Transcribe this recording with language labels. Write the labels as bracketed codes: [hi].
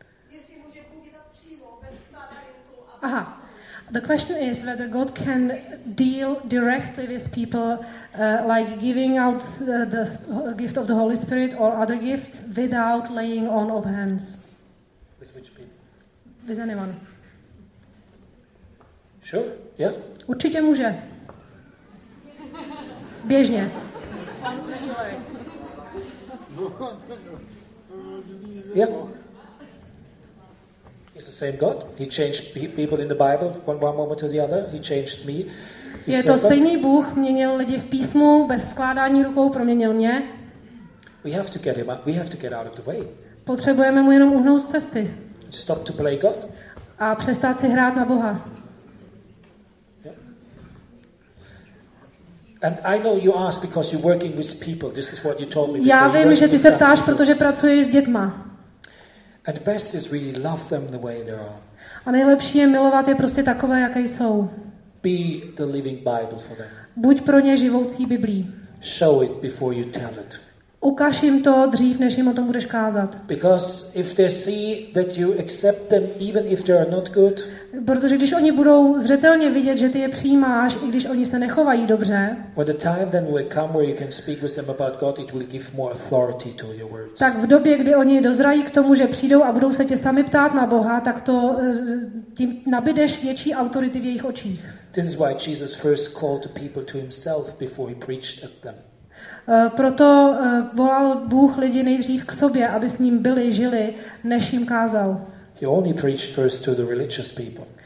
[cs] Jestli může Bůh dělat přímo, bez vkládání. Aha. [en] The question is whether God can deal directly with people like giving out the gift of the Holy Spirit or other gifts without laying on of hands. Is anyone? Sure, yeah. [cs] Určitě může. Běžně. [en] Yeah. It's the same God. He changed people in the Bible from one moment to the other. He changed me. [cs] Je to stejný Bůh, měnil lidi v písmu, bez skládání rukou proměnil mě. [en] We have to get him up. We have to get out of the way. [cs] Potřebujeme mu jenom uhnout z cesty. [en] Stop to play God. [cs] A přestát si hrát na Boha. [en] Yeah. And I know you ask because you're working with people. This is what you told me. [cs] Já vím, že ty se ptáš, protože pracuješ s dětma. [en] And best is really love them the way they are. [cs] A nejlepší je milovat je prostě takové, jaké jsou. [en] Be the living Bible for them. [cs] Buď pro ně živoucí Biblí. [en] Show it before you tell it. [cs] Ukaž jim to dřív, než jim o tom budeš kázat. [en] Because if they see that you accept them even if they are not good. [cs] Protože když oni budou zřetelně vidět, že ty je přijímáš, i když oni se nechovají dobře. [en] When the time then will come where you can speak with them about God, it will give more authority to your words. [cs] Tak v době, kdy oni dozrají k tomu, že přijdou a budou se tě sami ptát na Boha, tak to tím nabídeš větší autority v jejich očích. [en] This is why Jesus first called the people to himself before he preached at them. [cs] Proto volal Bůh lidi nejdřív k sobě, aby s ním byli, žili, než jim kázal. [en] He only preached first to the religious people.